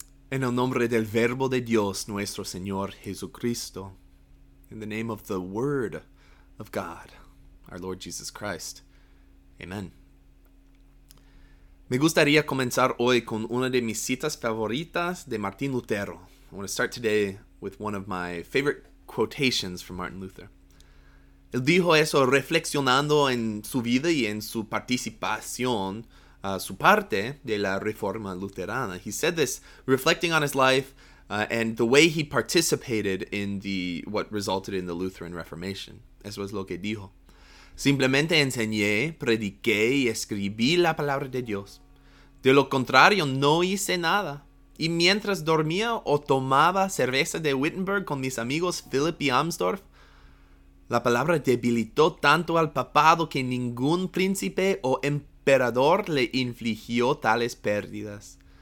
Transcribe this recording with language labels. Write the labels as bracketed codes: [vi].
[es] In el nombre del Verbo de Dios, nuestro Señor Jesucristo. [en] In the name of the Word of God, our Lord Jesus Christ. Amen. [es] Me gustaría comenzar hoy con una de mis citas favoritas de Martín Lutero. [en] I want to start today with one of my favorite quotations from Martin Luther. [es] Él dijo eso reflexionando en su vida y en su participación, su parte de la Reforma Luterana. [en] He said this reflecting on his life and the way he participated in the what resulted in the Lutheran Reformation. [es] Eso es lo que dijo. Simplemente enseñé, prediqué y escribí la palabra de Dios. De lo contrario, no hice nada. Y mientras dormía o tomaba cerveza de Wittenberg con mis amigos Philip y Amsdorf, la palabra debilitó tanto al papado que ningún príncipe o emperador le infligió tales pérdidas.